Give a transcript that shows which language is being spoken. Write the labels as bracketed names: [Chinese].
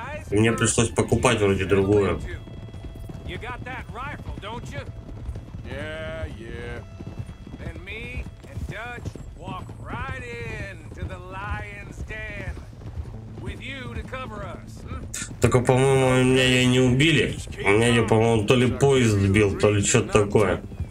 [Russian] Мне пришлось покупать вроде другую. [English] You got that rifle, don't you? Yeah, yeah. Then me and Dutch walk right in to the lion's den with you to cover us. [Russian] Только, по-моему, меня ее не убили. У меня ее, по-моему, то ли поезд сбил, то ли что-то такое.